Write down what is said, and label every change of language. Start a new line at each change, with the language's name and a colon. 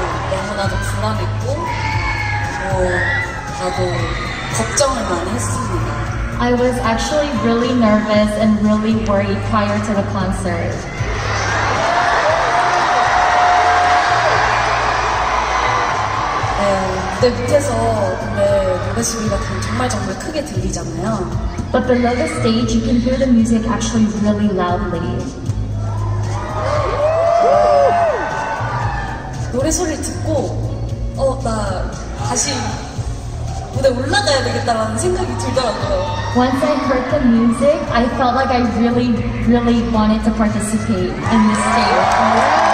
Korean: 너무나도 불안했고, 나도 걱정을 많이 했습니다.
English: I was actually really nervous and really worried prior to the concert.
Korean: 무대 밑에서 노래 소리가 정말 정말 크게 들리잖아요.
English: But below the stage, you can hear the music actually really loudly.
Korean: 노래 소리 듣고 나 다시 무대 올라가야 되겠다라는 생각이 들더라고요.
English: Once I heard the music, I felt like I really, really wanted to participate in this stage.